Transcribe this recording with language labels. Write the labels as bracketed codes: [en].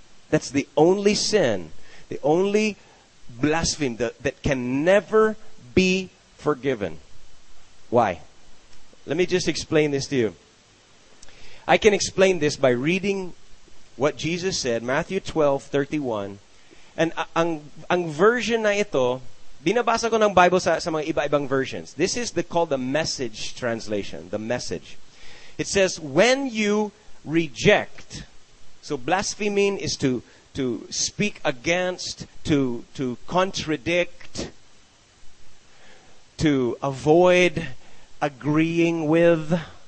[en] That's the only sin, the only blasphemy that can never be forgiven. Why? Let me just explain this to you. I can explain this by reading what Jesus said, Matthew 12, 31. [tl] And ang version na ito, binabasa ko ng Bible sa mga iba-ibang versions. [en] This is called the Message translation, the Message. It says, when you reject, so blaspheming is to speak against, to contradict, to avoid agreeing with.